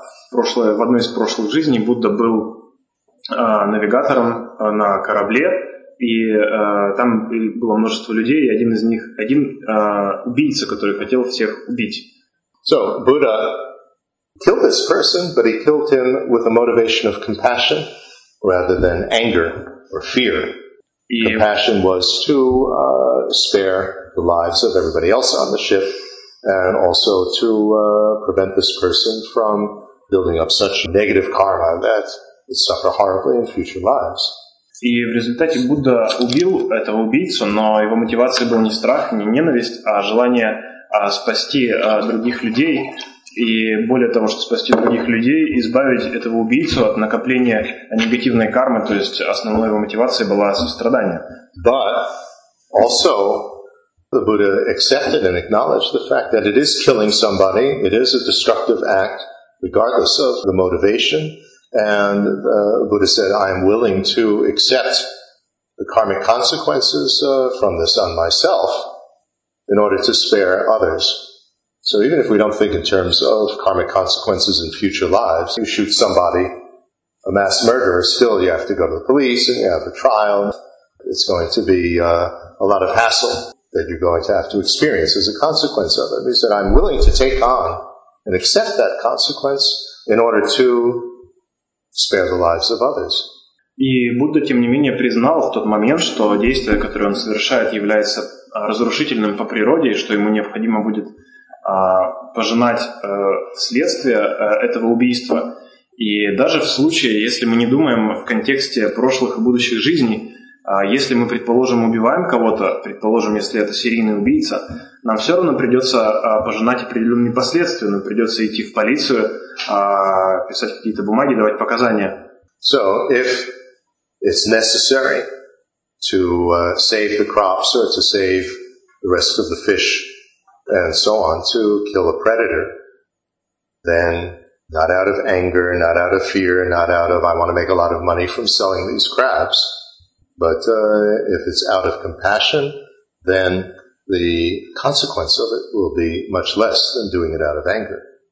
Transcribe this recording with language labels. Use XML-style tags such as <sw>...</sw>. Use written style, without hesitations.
<ru>В одной из прошлых жизней Будда был навигатором на корабле, и там было множество людей, и один из них, один убийца, который хотел всех убить.</ru> <en>So, Buddha killed this person, but he killed him with a motivation of compassion rather than anger or fear. Compassion was to spare the lives of everybody else on the ship, and also to prevent this person from building up such negative karma that he'd suffer horribly in future lives.</en> <ru>И в результате Будда убил этого убийцу, но его мотивацией был не страх, не ненависть, а желание спасти других людей. И более того, что спасти других людей, избавить этого убийцу от накопления негативной кармы, то есть основной его мотивацией была сострадание.</ru> <en>But also the Buddha accepted and acknowledged the fact that it is killing somebody, it is a destructive act, regardless of the motivation, and the Buddha said, I am willing to accept the karmic consequences from this on myself in order to spare others. So even if we don't think in terms of karmic consequences in future lives, you shoot somebody, a mass murderer, still you have to go to the police and you have a trial. It's going to be a lot of hassle that you're going to have to experience as a consequence of it. He said, I'm willing to take on and accept that consequence in order to spare the lives of others.</en> <ru>И Будда, тем не менее, признал в тот момент, что действие, которое он совершает, является разрушительным по природе, и что ему необходимо будет пожинать следствие этого убийства. И даже в случае, если мы не думаем в контексте прошлых и будущих жизней, если мы, предположим, убиваем кого-то, предположим, если это серийный убийца, нам все равно придется пожинать определенные последствия, нам придется идти в полицию, писать какие-то бумаги, давать показания.</ru> <en>So, if it's necessary to save the crops or to save the rest of the fish, and so on, to kill a predator, then not out of anger, not out of fear, not out of I want to make a lot of money from selling these crabs, but if it's out of compassion, then the consequence of it will be much less than doing it out of anger.</en>